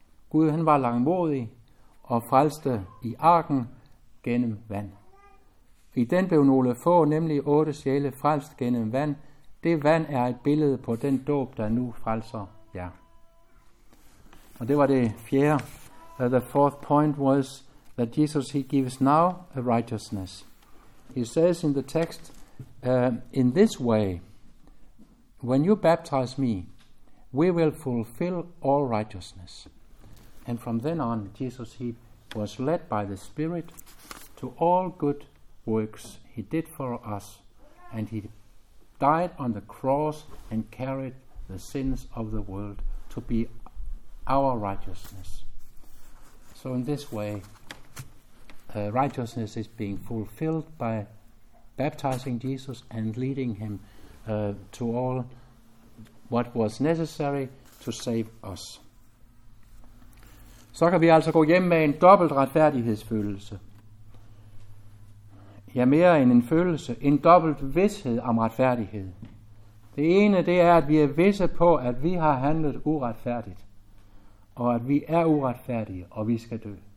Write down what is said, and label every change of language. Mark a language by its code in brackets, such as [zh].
[da] Gud han var langmodig og frelste i arken gennem vand. I den blev nogle få, nemlig 8 sjæle, frelst gennem vand. Det vand er et billede på den dåb, der nu frelser jer. Og det var det fjerde. [en] The fourth point was that Jesus, he gives now a righteousness. He says in the text, in this way, when you baptize me, we will fulfill all righteousness. And from then on, Jesus, he was led by the Spirit to all good works he did for us, and he died on the cross and carried the sins of the world to be our righteousness. So in this way, righteousness is being fulfilled by baptizing Jesus and leading him to all what was necessary to save us. [da] Så kan vi altså gå hjem med en dobbelt retfærdighedsfølelse. Ja, mere end en følelse, en dobbelt vished om retfærdighed. Det ene, det er, at vi er visse på, at vi har handlet uretfærdigt, og at vi er uretfærdige, og vi skal dø.